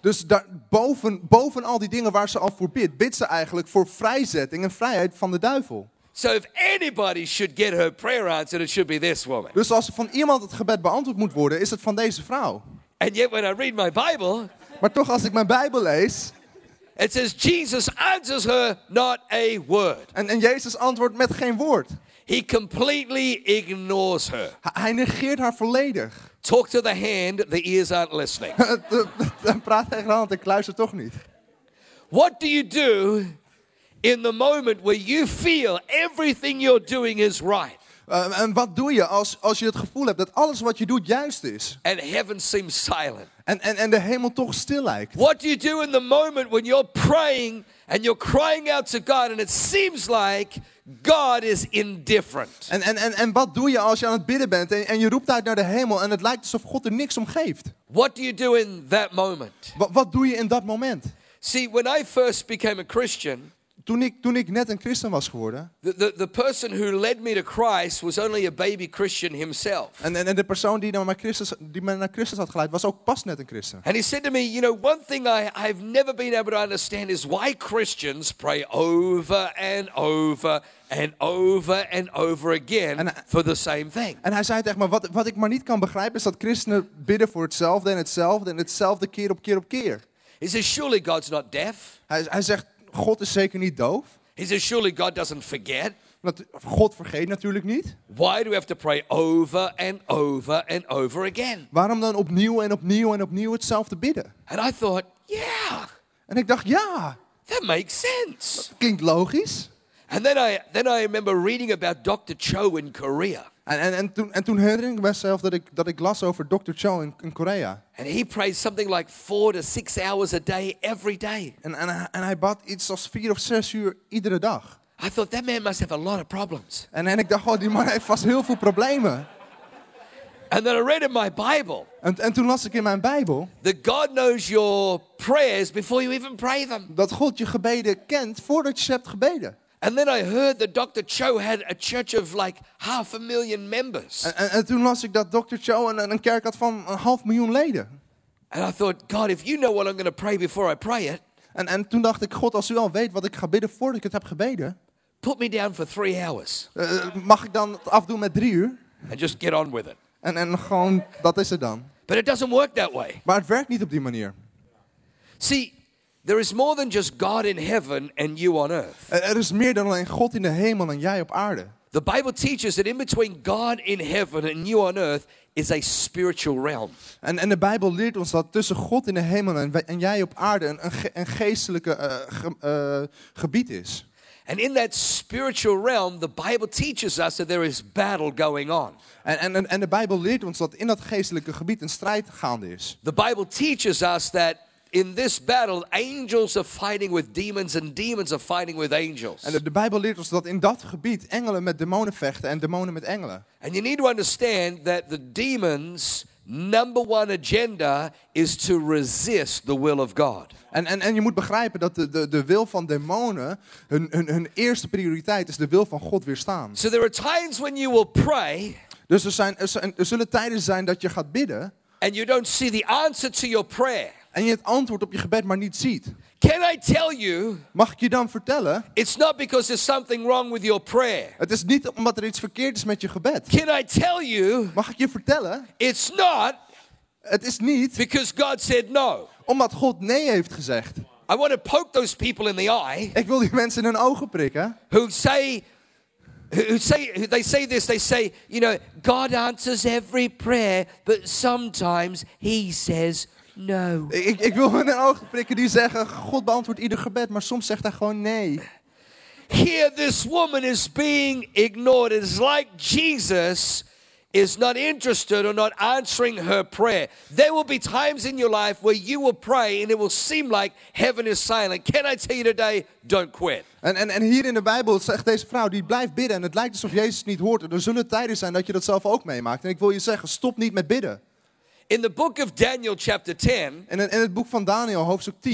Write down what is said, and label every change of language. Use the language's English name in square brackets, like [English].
[Dutch] Dus boven al die dingen waar ze al voor bidt ze eigenlijk voor vrijzetting en vrijheid van de duivel. [English] So if anybody should get her prayer answered, it should be this woman. [Dutch] Dus als van iemand het gebed beantwoord moet worden, is het van deze vrouw. [English] And yet when I read my Bible, [Dutch] maar toch als ik mijn Bijbel lees, [English] it says Jesus answers her not a word. [Dutch] En Jezus antwoordt met geen woord. [English] He completely ignores her. [Dutch] Hij negeert haar volledig. [English] Talk to the hand, the ears aren't listening. [Dutch] Dan praat tegen de hand, ik luister toch niet. [English] What do you do in the moment where you feel everything you're doing is right? [Dutch] En wat doe je als je het gevoel hebt dat alles wat je doet juist is? [English] And heaven seems silent. [Dutch] En de hemel toch stil lijkt. [English] What do you do in the moment when you're praying and you're crying out to God and it seems like God is indifferent? [Dutch] En wat doe je als je aan het bidden bent en je roept uit naar de hemel en het lijkt alsof God er niks om geeft? [English] What do you do in that moment? [Dutch] Wat doe je in dat moment? [English] See, when I first became a Christian, [Dutch] Toen ik net een christen was geworden. [English] The person who led me to Christ was only a baby Christian himself. [Dutch] En de persoon die mij naar Christus had geleid was ook pas net een christen. [English] And he said to me, you know, one thing I've never been able to understand is why Christians pray over and over and over and over again for the same thing. [Dutch] En hij zei tegen me, wat ik maar niet kan begrijpen is dat christenen bidden voor hetzelfde en hetzelfde en hetzelfde keer op keer op keer. [English] He says, surely God's not deaf. [Dutch] Hij zegt, God is zeker niet doof. [English] He says, surely God doesn't forget. [Dutch] God vergeet natuurlijk niet. [English] Why do we have to pray over and over and over again? [Dutch] Waarom dan opnieuw en opnieuw en opnieuw hetzelfde bidden? [English] And I thought, yeah. [Dutch] En ik dacht, ja. [English] That makes sense. [Dutch] Dat klinkt logisch. [English] And then I remember reading about Dr. Cho in Korea. [Dutch] En toen herinner ik mezelf dat ik las over Dr. Cho in Korea. [English] And he prays something like 4 to 6 hours a day every day. [Dutch] En hij bad iets als 4 of 6 uur iedere dag. [English] I thought that man must have a lot of problems. [Dutch] En ik dacht, oh, die man heeft vast heel veel problemen. [English] And then I read in my Bible. [Dutch] En toen las ik in mijn Bijbel. [English] That God knows your prayers before you even pray them. [Dutch] Dat God je gebeden kent voordat je ze hebt gebeden. [English] And then I heard that Dr. Cho had a church of like 500,000 members. [Dutch] En toen las ik dat Dr. Cho een kerk had van 500,000 leden. [English] And I thought, God, if you know what I'm going to pray before I pray it. [Dutch] En toen dacht ik, God, als u al weet wat ik ga bidden voordat ik het heb gebeden. [English] Put me down for 3 hours. [Dutch] Mag ik dan het afdoen met 3 uur? [English] And just get on with it. [Dutch] En gewoon, dat is het dan. [English] But it doesn't work that way. [Dutch] Maar het werkt niet op die manier. [English] See, there is more than just God in heaven and you on earth. [Dutch] Er is meer dan alleen God in de hemel en jij op aarde. [English] The Bible teaches that in between God in heaven and you on earth is a spiritual realm. [Dutch] En de Bijbel leert ons dat tussen God in de hemel en jij op aarde een geestelijke gebied is. [English] And in that spiritual realm, the Bible teaches us that there is battle going on. [Dutch] En de Bijbel leert ons dat in dat geestelijke gebied een strijd gaande is. [English] The Bible teaches us that in this battle, angels are fighting with demons and demons are fighting with angels. [Dutch] En de Bijbel leert ons dat in dat gebied engelen met demonen vechten en demonen met engelen. [English] And you need to understand that the demons' number one agenda is to resist the will of God. [Dutch] En je moet begrijpen dat de wil van demonen, hun eerste prioriteit is de wil van God weerstaan. [English] So there are times when you will pray. [Dutch] Dus er zullen tijden zijn dat je gaat bidden. [English] And you don't see the answer to your prayer. [Dutch] En je het antwoord op je gebed maar niet ziet. [English] Can I tell you? [Dutch] Mag ik je dan vertellen? [English] It's not because there's something wrong with your prayer. [Dutch] Het is niet omdat er iets verkeerd is met je gebed. [English] Can I tell you? [Dutch] Mag ik je vertellen? [English] It's not. [Dutch] Het is niet. [English] Because God said no. [Dutch] Omdat God nee heeft gezegd. [English] I want to poke those people in the eye. [Dutch] Ik wil die mensen in hun ogen prikken. [English] They say, you know, God answers every prayer, but sometimes he says no. [Dutch] Ik wil hun in hun ogen prikken die zeggen, God beantwoordt ieder gebed, maar soms zegt hij gewoon nee. [English] Here this woman is being ignored. It's like Jesus is not interested or not answering her prayer. There will be times in your life where you will pray and it will seem like heaven is silent. Can I tell you today, don't quit. [Dutch] En hier in de Bijbel zegt deze vrouw, die blijft bidden en het lijkt alsof Jezus niet hoort. Er zullen tijden zijn dat je dat zelf ook meemaakt. En ik wil je zeggen, stop niet met bidden. [English] In the book of Daniel chapter 10. [Dutch] In het boek van Daniel hoofdstuk 10.